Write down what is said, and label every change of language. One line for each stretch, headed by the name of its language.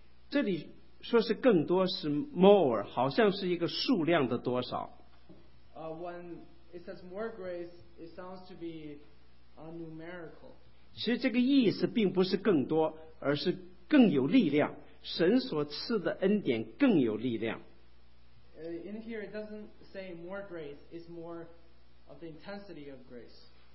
Chinese: 这里说是更多是 more， 好像是一个数量的多少。
English: When it says more grace, it sounds to be numerical.
Chinese: 其实这个意思并不是更多，而是更有力量。神所赐的恩典更有力量。
English: In here, it doesn't say more grace; it's more of the intensity of grace.